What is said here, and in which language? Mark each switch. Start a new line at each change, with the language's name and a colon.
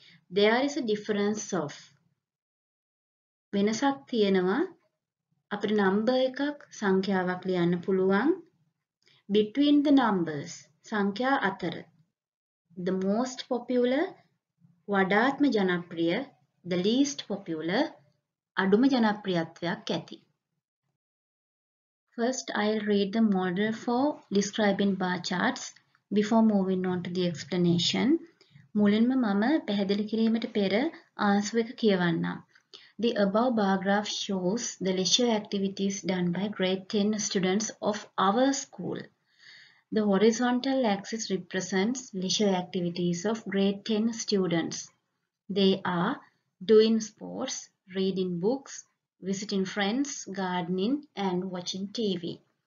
English: There is a difference of
Sinhala: වෙනසක් තියෙනවා අපිට number එකක් සංඛ්‍යාවක් ලියන්න පුළුවන්
English: between the numbers
Sinhala: සංඛ්‍යා අතර.
English: The most popular
Sinhala: වඩාත්ම ජනප්‍රිය
English: the least popular
Sinhala: අඩුම ජනප්‍රියත්වයක් ඇති.
English: First I'll read the model for describing bar charts. Before moving on to the explanation,
Sinhala: මුලින්ම මම පැහැදිලි කිරීමට පෙර answer එක කියවන්නම්.
English: The above bar graph shows the leisure activities done by grade 10 students of our school. The horizontal axis represents leisure activities of grade 10 students. They are doing sports, reading books, visiting friends, gardening, and watching TV.